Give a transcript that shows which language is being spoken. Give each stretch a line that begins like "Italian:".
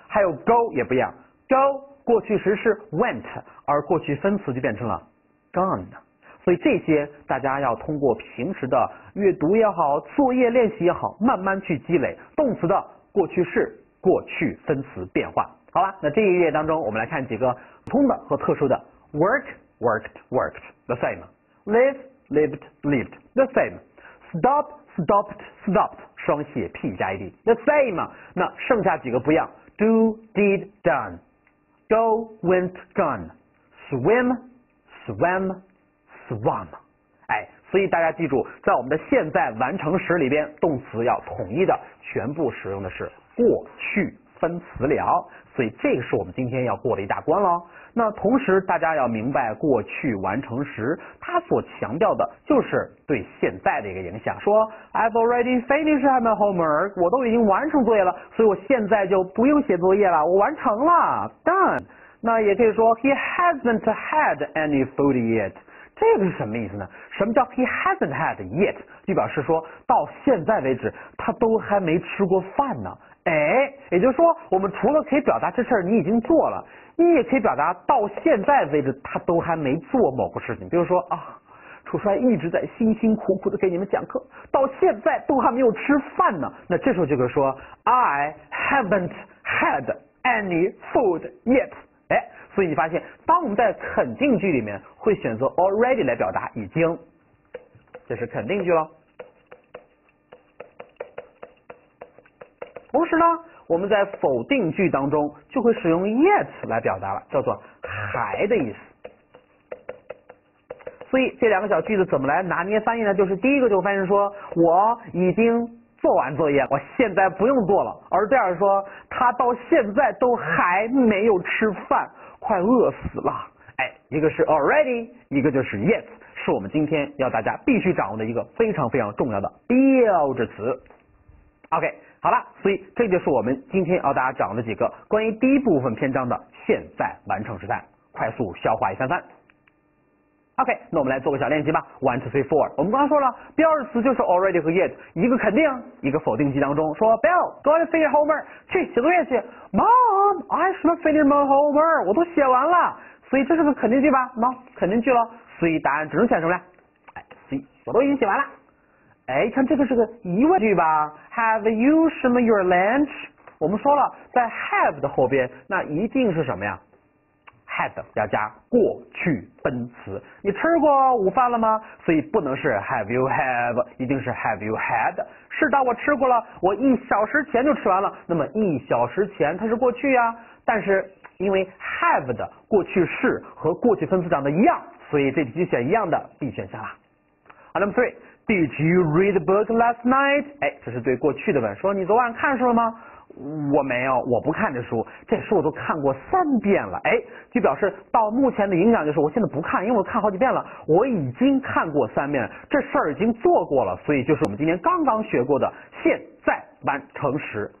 Chinese: 还有 go 也不一样， go 过去式是 went， 而过去分词就变成了gone。所以这些大家要通过平时的阅读也好，作业练习也好，慢慢去积累动词的过去式过去分词变化。
English: 好了，那这一页当中我们来看几个普通的和特殊的 work worked worked the same， live lived lived the same， stop stopped stopped 双写 p 加 ed the same。
Chinese: 那剩下几个不一样，
English: do did done， go went gone， swimswam swam。
Chinese: 哎，所以大家记住，在我们的现在完成时里边，动词要统一的全部使用的是过去分词了，所以这个是我们今天要过的一大关了。那同时大家要明白过去完成时它所强调的就是对现在的一个影响，说
English: I've already finished my homework，
Chinese: 我都已经完成作业了，所以我现在就不用写作业了，我完成了 done。那也可以说
English: he hasn't had any food yet，
Chinese: 这个是什么意思呢？什么叫
English: he hasn't had yet，
Chinese: 就表示说到现在为止他都还没吃过饭呢。哎，也就是说，我们除了可以表达这事儿你已经做了，你也可以表达到现在为止他都还没做某个事情。比如说啊，楚帅一直在辛辛苦苦的给你们讲课，到现在都还没有吃饭呢。那这时候就可以说
English: I haven't had any food yet。
Chinese: 哎，所以你发现，当我们在肯定句里面会选择 already 来表达已经，这是肯定句了。同时呢，我们在否定句当中就会使用 yet 来表达了，叫做还的意思。所以这两个小句子怎么来拿捏翻译呢？就是第一个就翻译说我已经做完作业，我现在不用做了，而第二说他到现在都还没有吃饭，快饿死了。哎，一个是 already， 一个就是 yet， 是我们今天要大家必须掌握的一个非常非常重要的标志词。 OK，好了，所以这就是我们今天要大家讲的几个关于第一部分篇章的现在完成时态，快速消化一番番。 OK， 那我们来做个小练习吧。
English: One, two, three, four。
Chinese: 我们刚才说了，标志词就是 already 和 yet， 一个肯定，一个否定句当中，说
English: Bill, go and finish homework，
Chinese: 去写作业去。
English: Mom, I should finish my homework，
Chinese: 我都写完了。所以这是个肯定句吧？喏，肯定句了。所以答案只能选什么呀？哎 ，C， 我都已经写完了。哎，看这个是个疑问句吧 ？
English: Have you
Chinese: 什么
English: your lunch？
Chinese: 我们说了，在 have 的后边，那一定是什么呀 ？Had 要加过去分词。你吃过午饭了吗？所以不能是
English: Have you have，
Chinese: 一定是
English: Have you had。
Chinese: 是的，我吃过了，我一小时前就吃完了。那么一小时前它是过去呀，但是因为 have 的过去式和过去分词长得一样，所以这题就选一样的 B 选项了。好 ，
English: Number three。 Did you read the book last night?
Chinese: 哎，这是对过去的问，说你昨晚看书了吗？我没有，我不看这书，这书我都看过三遍了。哎，就表示到目前的影响就是我现在不看，因为我看好几遍了，我已经看过三遍了，这事儿已经做过了，所以就是我们今天刚刚学过的现在完成时。